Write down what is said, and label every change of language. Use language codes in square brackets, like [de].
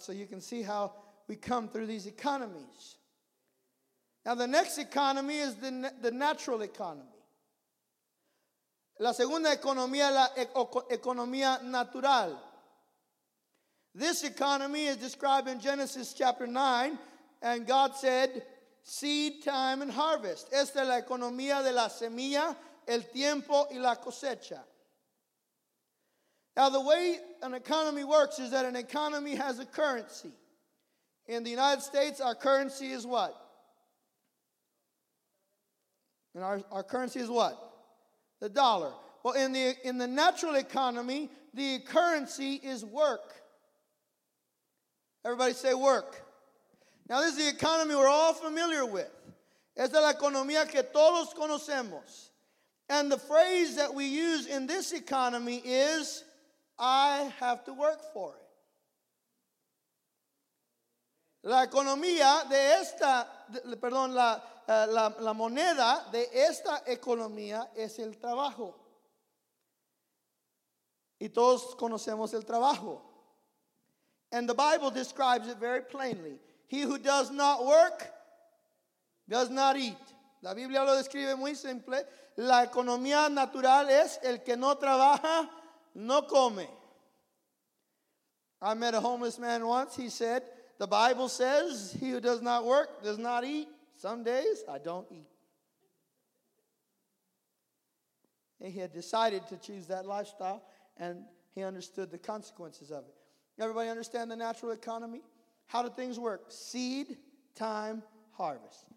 [en] So you can see how we come through these economies. Now the next economy is the natural economy. [es] La segunda economía, la economía natural. [en] This economy is described in Genesis chapter 9, and God said, seed, time, and harvest. [es] Esta es la economía de la semilla, el tiempo y la cosecha. [en] Now, the way an economy works is that an economy has a currency. In the United States, our currency is what? And our currency is what? The dollar. Well, in the natural economy, the currency is work. Everybody say work. Now, this is the economy we're all familiar with. [es] Es la economía que todos conocemos. [en] And the phrase that we use in this economy is, I have to work for it. [es] La economía de esta, perdón, la moneda de esta economía es el trabajo. Y todos conocemos el trabajo. [en] And the Bible describes it very plainly. He who does not work, does not eat. [es] La Biblia lo describe muy simple. La economía natural es el que no trabaja, no come. [en] I met a homeless man once. He said, the Bible says, he who does not work does not eat. Some days, I don't eat. And he had decided to choose that lifestyle, and he understood the consequences of it. Everybody understand the natural economy? How do things work? Seed, time, harvest.